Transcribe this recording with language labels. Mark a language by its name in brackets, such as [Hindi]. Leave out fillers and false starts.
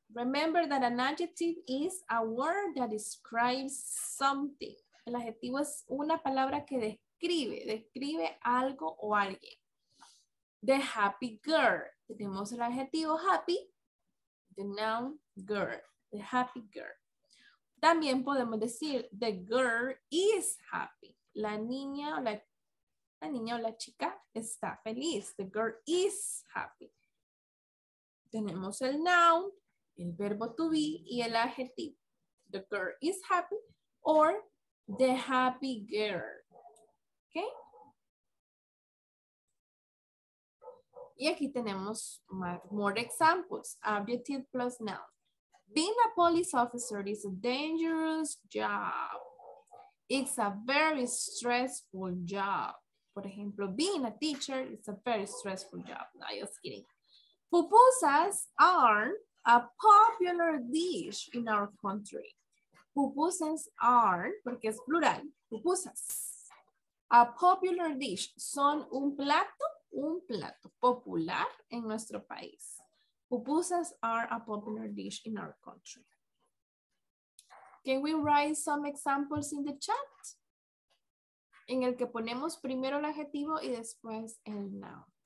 [English] Remember that an adjective is a word that describes something. [Spanish] El adjetivo es una palabra que describe algo o alguien. [English] The happy girl. [Spanish] Tenemos el adjetivo [English] happy, the noun girl, the happy girl. [Spanish] También podemos decir [English] the girl is happy. [Spanish] La niña o la chica está feliz. [English] The girl is happy. [Spanish] Tenemos el noun, el verbo to be y el adjetivo. [English] The girl is happy or the happy girl. Okay. [Spanish] Y aquí tenemos [English] more examples. Adjective plus noun. Being a police officer is a dangerous job. It's a very stressful job. [Spanish] Por ejemplo, [English] being a teacher is a very stressful job. No, just kidding. Pupusas are a popular dish in our country. Pupusas are, [Spanish] porque es plural, [English] pupusas. A popular dish. [Spanish] Son un plato popular en nuestro país. [English] Pupusas are a popular dish in our country. Can we write some examples in the chat? [Spanish] En el que ponemos primero el adjetivo y después el noun.